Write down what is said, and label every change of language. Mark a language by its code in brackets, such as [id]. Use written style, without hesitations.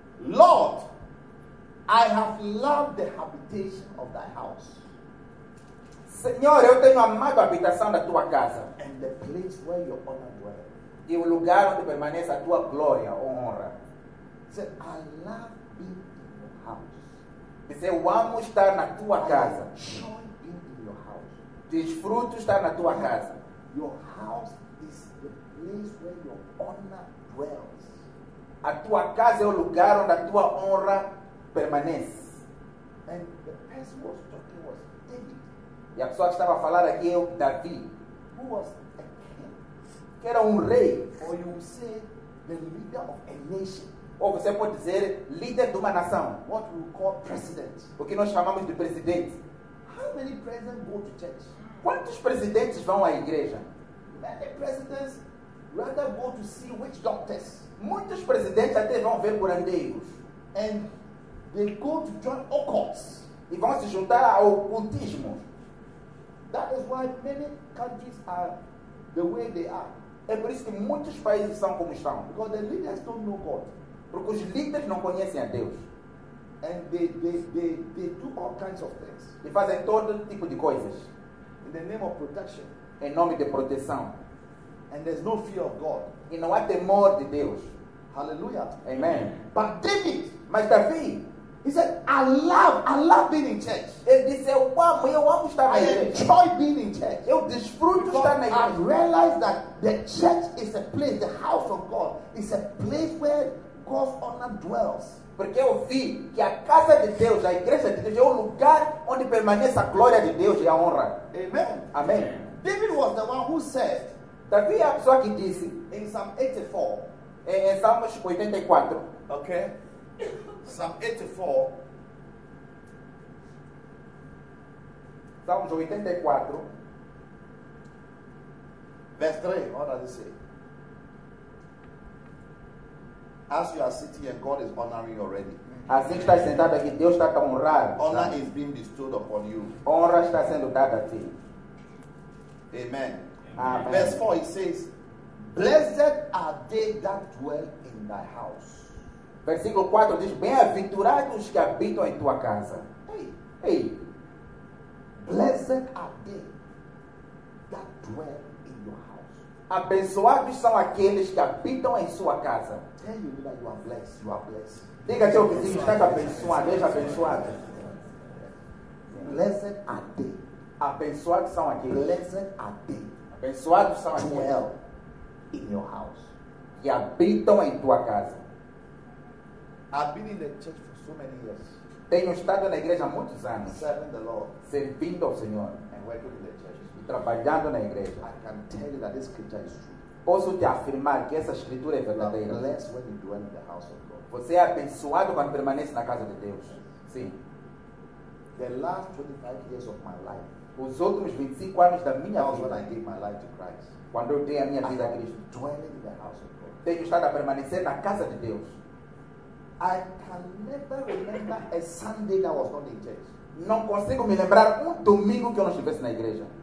[en] Lord, I have loved the habitation of thy house. [pt] Senhor, eu tenho amado a habitação da tua casa. [en] And the place where your honor dwells. [pt] E o lugar onde permanece a tua glória, honra. [en] He said, I love being in your house. [pt] Dizer, eu amo estar na tua casa. [en] Enjoy being in your house. [pt] Desfruto estar na tua casa. [en] Your house is the place where your honor dwells. [pt] A tua casa é o lugar onde a tua honra permanece. [en] And the person was talking was David. [pt] E a pessoa que estava a falar aqui é o Davi. [en] Who was a king? [pt] Que era um rei. [en] Or you would say the leader of a nation. [pt] Ou você pode dizer líder de uma nação. [en] What we call president. [pt] O que nós chamamos de presidente. [en] How many presidents go to church? [pt] Quantos presidentes vão à igreja? [en] Many presidents rather go to see witch doctors. [pt] Muitos presidentes até vão ver curandeiros. [en] And they go to join occults. [pt] E vão se juntar ao ocultismo. [en] That is why many countries are the way they are. [pt] É por isso que muitos países são como estão. [en] Because the leaders don't know God. [pt] Porque os líderes não conhecem a Deus. [en] And they do all kinds of things. [pt] E fazem todo tipo de coisas. [en] In the name of protection. [pt] Em nome de proteção. [en] And there's no fear of God. [pt] E não há temor de Deus. [en] Hallelujah. [pt] Amen. [en] But David. [pt] Mas Davi. [en] He said, I love being in church. [pt] Ele disse, eu amo estar na igreja. [en] I enjoy being in church. [pt] Eu desfruto estar na igreja. [en] I realize that the church is a place, the house of God, is a place where God's honor dwells. [pt] Porque eu vi que a casa de Deus, a igreja de Deus, é o lugar onde permanece a glória de Deus e a honra. [en] Amen. [pt] Amen. [en] David was the one who said, [pt] Davi é a pessoa que disse, [en] in Psalm 84, [pt] em Salmos 84, [en] okay. Psalm 84. Psalms 84. Verse 3. What does it say? As you are sitting here, God is honoring you already. [pt] Assim que está sentado aqui, Deus está tão honrado. [en] Honor is being bestowed upon you. [pt] Honra está sendo dada a ti. [en] Amen. [pt] Amen. [en] Verse 4, it says, blessed are they that dwell in thy house. [pt] Versículo 4 diz, bem-aventurados que habitam em tua casa. Hey. Hey. [en] Blessed are they that dwell in your house. [pt] Abençoados são aqueles que habitam em sua casa. [en] Tell you that you are blessed. You are blessed. [pt] Diga teu vizinho, está abençoado, esteja abençoado. [en] Blessed are they. [pt] Abençoados são aqueles. [en] Blessed are they. [pt] Abençoados são aqueles. [en] Dwell in your house. [pt] Que habitam em tua casa. [en] I've been in the church for so many years. [pt] Tenho estado na igreja há muitos anos. [en] Serving the Lord. [pt] Servindo ao Senhor. [en] And working in the churches. [pt] E trabalhando na igreja. [en] I can tell you that this scripture is true. [pt] Posso te afirmar que essa escritura é verdadeira. [en] You are blessed when you dwell in the house of God. [pt] Você é abençoado quando permanece na casa de Deus. Sim. [en] The last 25 years of my life. [pt] Os últimos 25 anos da minha vida. [en] When I gave my life to Christ. [pt] Quando eu dei a minha vida a Cristo. [en] Dwelling in the house of God. [pt] Tenho estado a permanecer na casa de Deus. [en] I can never remember a Sunday that was not in church. [pt] Não consigo me lembrar domingo que eu não estivesse na igreja.